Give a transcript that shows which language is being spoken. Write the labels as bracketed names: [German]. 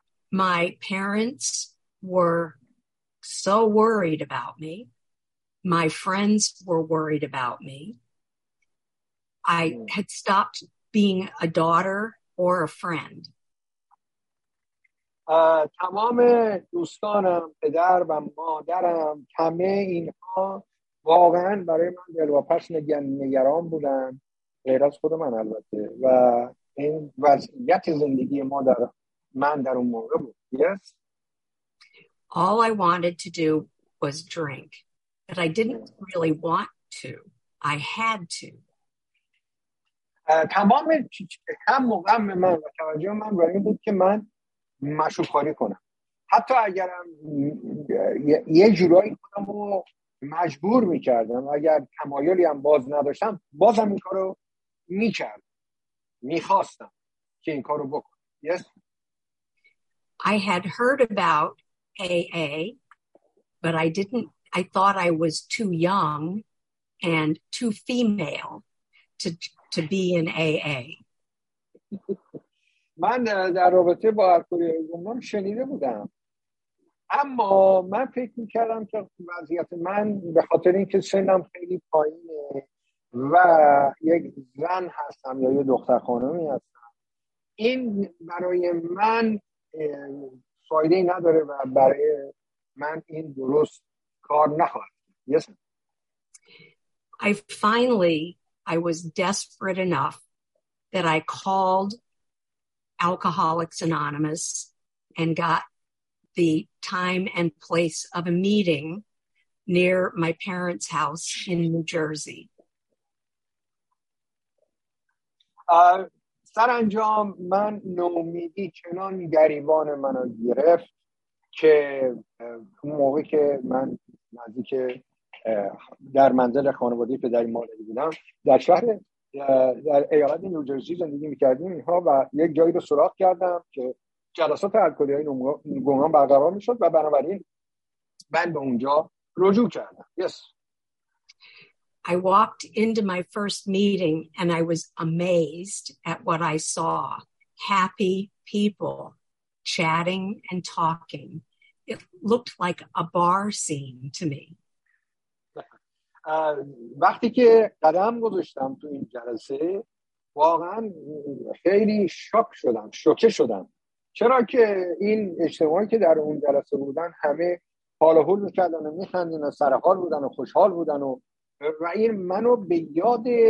[English] My parents were so worried about me. My friends were worried about me. I had stopped being a daughter or a friend. [Persian] تمام دوستانم، پدر و مادرم، همه اینها واقعا برای من دلواپس نگران بودن، غیر از خود من البته، و این وضعیت زندگی ما در من در اون موقع بود. [English] Yes. All I wanted to do was drink. But I didn't really want to. I had to. [Persian] تمام هم غم من و توجه من برای این بود که من مشروب‌خوری کنم. حتی اگرم یه جورایی خودم رو مجبور می‌کردم، اگر تمایلی هم باز نداشتم، بازم این کارو می‌کردم. می‌خواستم که این کارو بکنم. [English] Yes. I had heard about AA, but I thought I was too young and too female to be in AA. [Persian] من در رابطه با الکلیزمم شنیده بودم، اما من فکر می‌کردم که وضعیت من به خاطر اینکه سنم خیلی پایینه و یک زن هستم یا یه دختر خانومی هستم، این برای من فایده نداره و برای من این درست. [English] Yes. I was desperate enough that I called Alcoholics Anonymous and got the time and place of a meeting near my parents' house in New Jersey. [Persian] سرانجام من نومیدی چنان گریبان منو گرفت که موقع که من نزدیک در منزل خانوادگی پدری مادری بودم، در شهر در ایالت نیوجرسی زندگی میکردیم اینها، و یک جایی رو سراغ کردم که جلسات الکلی های گمنام برقرار میشد و بنابراین من به اونجا رجوع کردم. [English] Yes. I walked into my first meeting and I was amazed at what I saw. Happy people chatting and talking. It looked like a bar scene to me. [Persian] وقتی که قدم گذاشتم تو این جلسه واقعا خیلی شوکه شدم، چرا که این اجتماعی که در اون جلسه بودن همه حال و حال می‌کردن و می‌خندیدن و سرحال بودن و خوشحال بودن و این منو به یاد